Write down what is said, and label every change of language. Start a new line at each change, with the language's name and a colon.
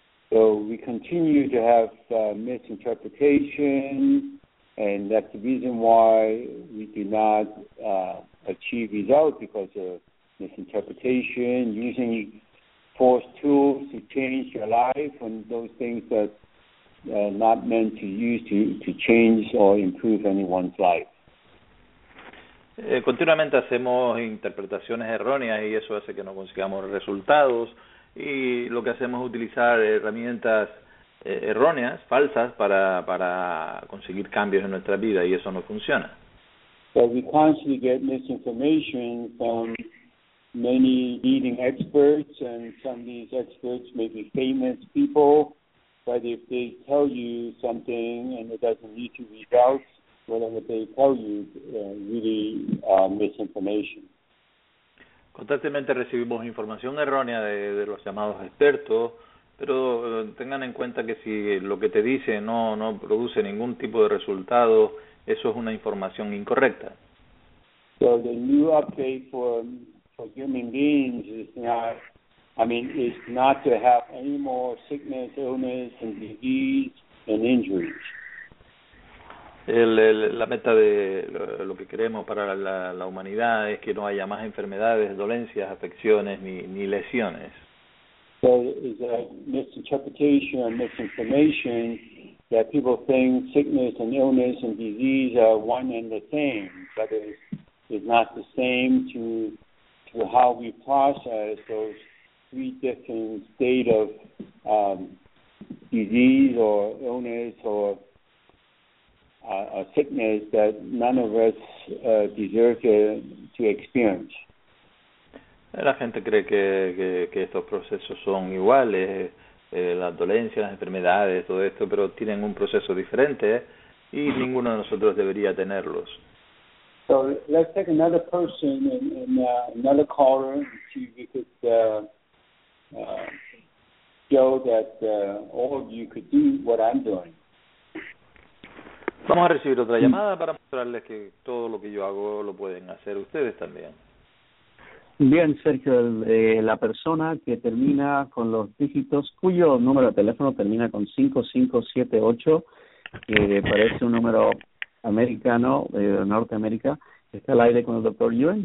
English: So we continue to have misinterpretation, and that's the reason why we do not achieve results, because of misinterpretation, using false tools to change your life, and those things that are not meant to use to change or improve anyone's life.
Spanish: Continuamente hacemos interpretaciones erróneas, y eso hace que no consigamos resultados, y lo que hacemos es utilizar herramientas erróneas, falsas, para conseguir cambios en nuestra vida, y eso no funciona.
English: So we constantly get misinformation from many leading experts, and some of these experts may be famous people, but if they tell you something and it doesn't lead to results, whatever they tell you really misinformation.
Spanish: Constantemente recibimos información errónea de los llamados expertos, pero tengan en cuenta que si lo que te dice no produce ningún tipo de resultado, eso es una información incorrecta.
English: So the new update for human beings is not to have any more sickness, illness, and disease and injuries.
Spanish: La meta de lo que queremos para la humanidad es que no haya más enfermedades, dolencias, afecciones ni lesiones.
English: So is a misinterpretation or misinformation that people think sickness and illness and disease are one and the same, but it's not the same to how we process those three different state of disease or illness or a sickness that none of us deserve to experience.
Spanish: La gente cree que estos procesos son iguales, las dolencias, las enfermedades, todo esto, pero tienen un proceso diferente y ninguno de nosotros debería tenerlos.
English: So let's take another person another caller and see if we could show that all of you could do what I'm doing.
Spanish: Vamos a recibir otra llamada para mostrarles que todo lo que yo hago lo pueden hacer ustedes también. Bien, Sergio, la persona que termina con los dígitos, cuyo número de teléfono termina con 5578, que parece un número americano, de Norteamérica, está al aire con el doctor Yuen.